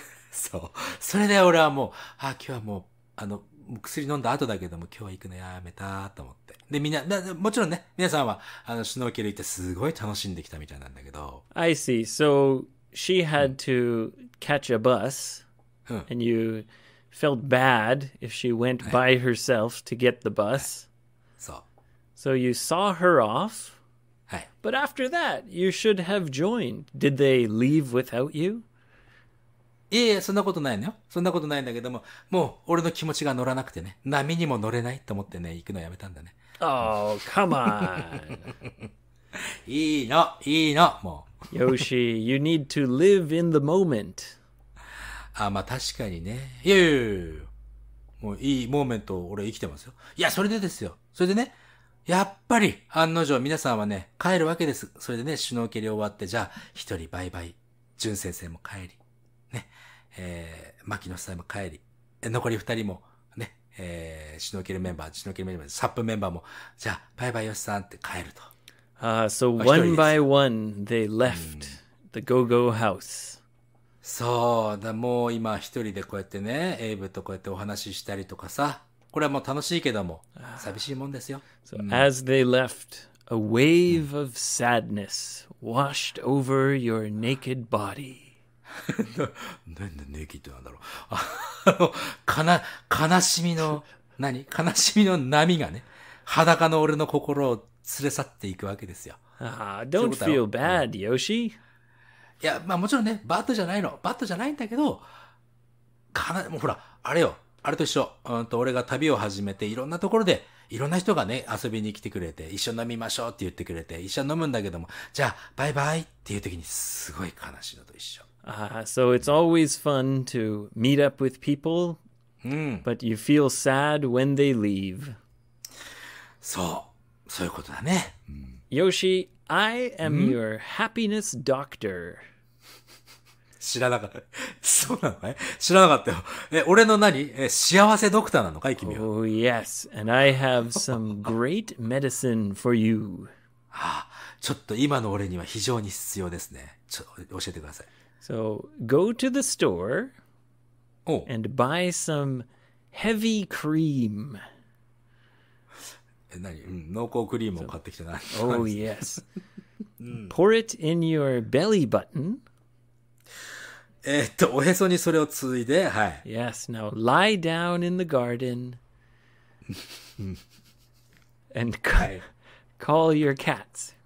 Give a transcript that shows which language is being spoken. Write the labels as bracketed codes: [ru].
[ja] そう。それで俺はもう、今日はもう、薬飲んだ後だけども今日は行くのやめたと思って。で、みんな、もちろんね、皆さんは、シュノーケル行ってすごい楽しんできたみたいなんだけど。 [en] I see. So, she had to catch a bus,、 [ja] うん、 [en] and you felt bad if she went by herself to get the bus.、はい、 [ja] そう。 [en] So, you saw her off. [ja] はい。 [en] But after that, you should have joined. Did they leave without you? [ja] いやいや、そんなことないのよ。そんなことないんだけども、もう俺の気持ちが乗らなくてね、波にも乗れないと思ってね、行くのやめたんだね。 [en] Oh, come on! [ja] いいの、いいの、もう。 [en] Yoshi, you need to live in the moment. [ja] あ、まあ確かにね。いやいやいや、もういいモーメント、俺生きてますよ。いや、それでですよ。それでね、やっぱり案の定皆さんはね、帰るわけです。それでね、シュノーケリ終わって、じゃあ、一人バイバイ。淳先生も帰り。牧野さんも帰り、残り二人もね、シュノーケルメンバー、シュノーケルメンバー、サップメンバーも、じゃあバイバイヨシさんって帰ると。 [en] So one by one they left the GoGo house. [ja] そうだ、もう今一人でこうやってね、エイブとこうやってお話ししたりとかさ、これはもう楽しいけども、寂しいもんですよ。 [en] So, as they left, a wave of sadness washed over your naked body. [ja] なんでネキッドなんだろう。悲しみの、何? 悲しみの波がね、裸の俺の心を連れ去っていくわけですよ。 [en] Don't feel bad, Yoshi. [ja] いや、まあもちろんね、バッドじゃないの。バッドじゃないんだけど、もうほら、あれよ。あれと一緒、俺が旅を始めて、いろんなところで、いろんな人がね、遊びに来てくれて、一緒に飲みましょうって言ってくれて、一緒に飲むんだけども、じゃあ、バイバイっていう時に、すごい悲しいのと一緒。 [en] So it's always fun to meet up with people,、but you feel sad when they leave. [ja] そう、そういうことだね。 [en] Yoshi, I am your happiness doctor. [ja] 知らなかった。そうなのね。知らなかったよ。え、俺の何? え、幸せドクターなのかい、君は。 [en] Oh, yes. And I have some great medicine for you. [ja] ああ、ちょっと今の俺には非常に必要ですね。ちょ、教えてください。 [en] So, go to the store and buy some heavy cream. [ja] 何? 濃厚クリームを買ってきてない。 [en] So, oh, yes. Pour it in your belly button. [ja] おへそにそれをついで、はい。 [en] Yes, now lie down in the garden and call your cats.